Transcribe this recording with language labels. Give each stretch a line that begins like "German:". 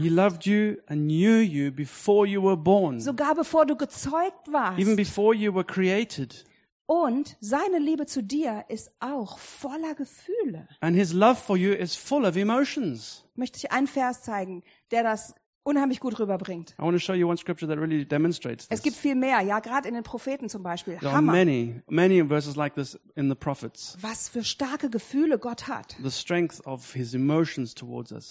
English: He loved you and knew you before you were born.
German: Sogar bevor du gezeugt warst.
English: Even before you were created.
German: Und seine Liebe zu dir ist auch voller Gefühle.
English: And his love for you is full of emotions.
German: Möchte ich einen Vers zeigen, der das unheimlich gut rüberbringt.
English: I want to show you one scripture that really demonstrates this.
German: Es gibt viel mehr, ja, gerade in den Propheten zum Beispiel.
English: There are many, many verses like this in the prophets.
German: Was für starke Gefühle Gott hat.
English: The strength of his emotions towards us.